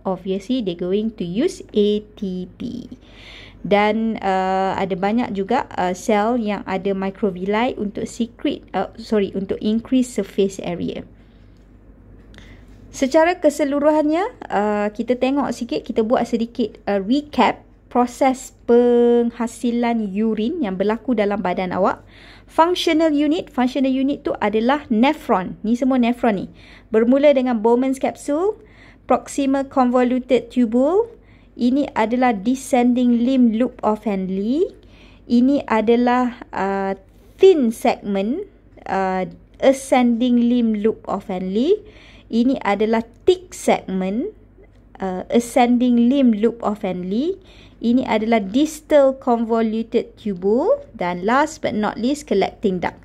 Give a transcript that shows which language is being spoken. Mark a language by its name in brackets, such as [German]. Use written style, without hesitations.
[English] Obviously, they're going to use ATP. [Malay] Dan ada banyak juga sel yang ada microvilli untuk untuk [English] increase surface area. [Malay] Secara keseluruhannya, kita tengok sikit, kita buat sedikit recap proses penghasilan urine yang berlaku dalam badan awak. Functional unit tu adalah nephron. Ni semua nephron ni. Bermula dengan Bowman's capsule, proximal convoluted tubule. Ini adalah descending limb loop of Henle. Ini adalah thin segment ascending limb loop of Henle. Ini adalah thick segment ascending limb loop of Henle. Ini adalah distal convoluted tubule. Dan [English] last but not least, collecting duct.